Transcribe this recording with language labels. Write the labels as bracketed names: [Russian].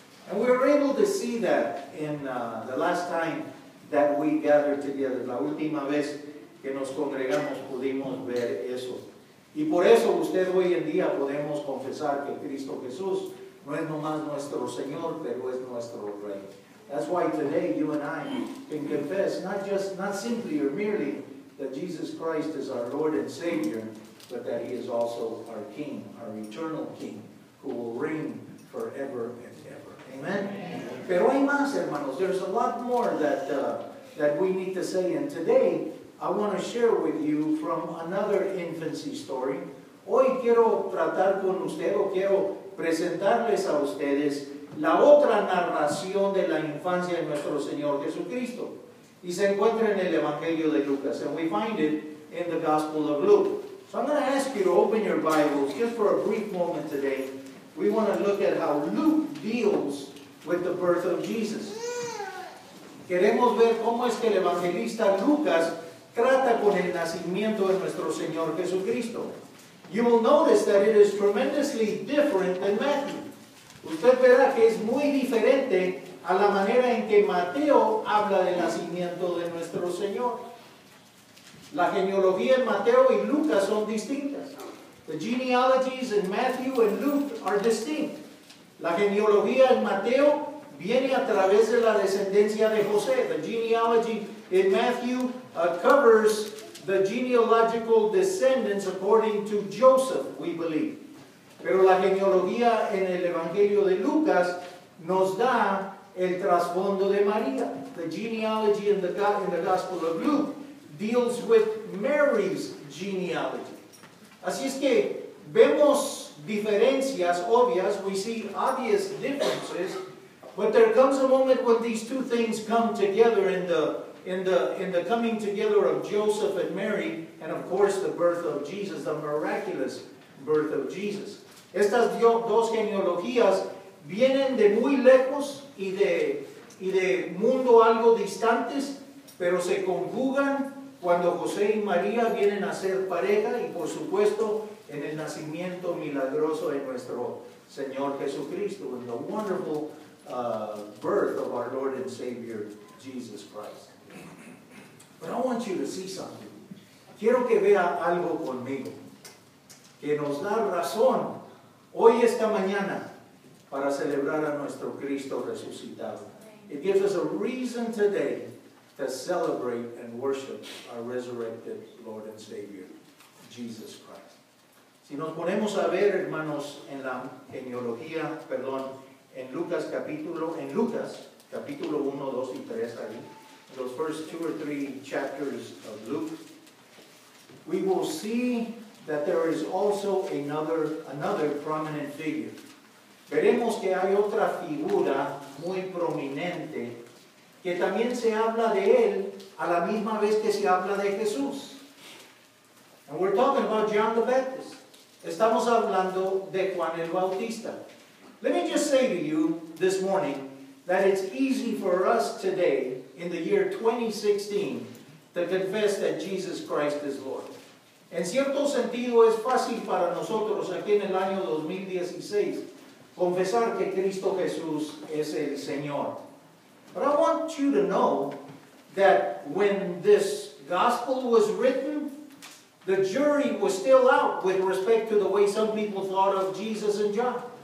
[English] And we were able to see that in the last time that we gathered together. [Spanish] La última vez que nos congregamos pudimos ver eso. Y por eso usted hoy en día podemos confesar que Cristo Jesús no es nomás nuestro Señor, pero es nuestro Rey. [English] That's why today you and I can confess, not simply or merely, that Jesus Christ is our Lord and Savior, but that He is also our King, our eternal King, who will reign forever and ever. Amen? Amen. [Spanish] Pero hay más, hermanos. [English] There's a lot more that we need to say. And today, I want to share with you from another infancy story. [Spanish] Hoy quiero tratar con usted, o quiero presentarles a ustedes la otra narración de la infancia de nuestro Señor Jesucristo. Y se encuentra en el Evangelio de Lucas. [English] And we find it in the Gospel of Luke. So I'm going to ask you to open your Bibles just for a brief moment today. We want to look at how Luke deals with the birth of Jesus. [Spanish] Queremos ver cómo es que el evangelista Lucas trata con el nacimiento de nuestro Señor Jesucristo. [English] You will notice that it is tremendously different than Matthew. [Spanish] Usted verá que es muy diferente a la manera en que Mateo habla del nacimiento de nuestro Señor. La genealogía en Mateo y Lucas son distintas. [English] The genealogies in Matthew and Luke are distinct. [Spanish] La genealogía en Mateo viene a través de la descendencia de José. [English] The genealogy in Matthew covers the genealogical descendants according to Joseph, we believe. [Spanish] Pero la genealogía en el Evangelio de Lucas nos da el trasfondo de María. [English] The genealogy in the Gospel of Luke deals with Mary's genealogy. [Spanish] Así es que vemos diferencias obvias. [English] We see obvious differences. But there comes a moment when these two things come together in the coming together of Joseph and Mary, and of course the birth of Jesus, the miraculous birth of Jesus. [Spanish] Estas dos genealogías vienen de muy lejos y de mundo algo distantes, pero se conjugan cuando José y María vienen a ser pareja y por supuesto en el nacimiento milagroso de nuestro Señor Jesucristo, en [English] the wonderful birth of our Lord and Savior Jesus Christ. But I want you to see something. [Spanish] Quiero que vea algo conmigo que nos da razón hoy esta mañana para celebrar a nuestro Cristo resucitado. [English] It gives us a reason today to celebrate and worship our resurrected Lord and Savior Jesus Christ. [Spanish] Si nos ponemos a ver, hermanos, en la genealogía, perdón, en Lucas capítulo 1, 2 y 3, ahí, [English] those first two or three chapters of Luke, we will see that there is also another prominent figure. [Spanish] Veremos que hay otra figura muy prominente que también se habla de él a la misma vez que se habla de Jesús. [English] And we're talking about John the Baptist. [Spanish] Estamos hablando de Juan el Bautista. [English] Let me just say to you this morning that it's easy for us today in the year 2016 to confess that Jesus Christ is Lord. [Spanish] En cierto sentido, es fácil para nosotros aquí en el año 2016 confesar que Cristo Jesús es el Señor. [English] But I want you to know that when this gospel was written, the jury was still out with respect to the way some people thought of Jesus and John.